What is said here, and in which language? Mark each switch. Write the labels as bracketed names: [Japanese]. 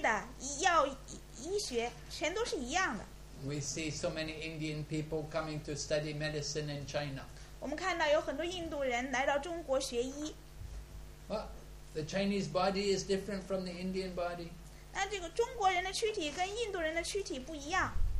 [Chinese] 那么如果你要研究就是这个，美国的、印度的、中国的、南非的医学，全都是一样的。 [English] We see so many Indian people coming to study medicine in China. [Chinese] 我们看到有很多印度人来到中国学医。 [English] Well, the Chinese body is different from the Indian body. [Chinese] 那这个中国人的躯体跟印度人的躯体不一样。